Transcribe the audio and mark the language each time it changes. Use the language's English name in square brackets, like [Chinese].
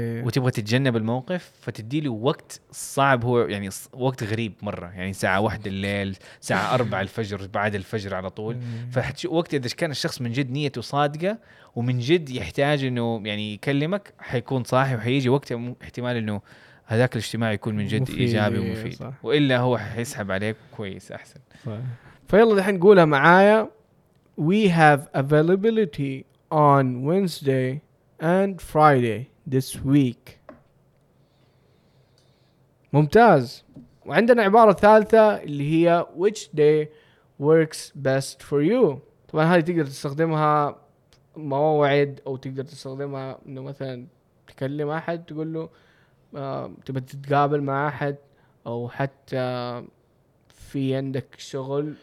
[Arabic] وتبغى تتجنب الموقف، فتدي له وقت صعب، هو يعني وقت غريب مرة، يعني ساعة 1 الليل، ساعة 4 الفجر بعد الفجر على طول، فحتشوف وقت إذا كان الشخص من جد نيته صادقة ومن جد يحتاج إنه يعني يكلمك حيكون صاحي وحيجي، وقتها احتمال إنه هذاك الاجتماع يكون من جد إيجابي ومفيد، وإلا هو حيسحب عليك كويس أحسن. فيلا دحين قولها معايا [English] We have availability on Wednesday and Friday this week. [Arabic] ممتاز. وعندنا عبارة ثالثة اللي هي [English] Which day works best for you. [Arabic] طبعا هذه تقدر تستخدمها مواعيد، أو تقدر تستخدمها إنه مثلا تكلم أحد تقول له تبى تتقابل مع أحد، أو حتى في عندك شغل،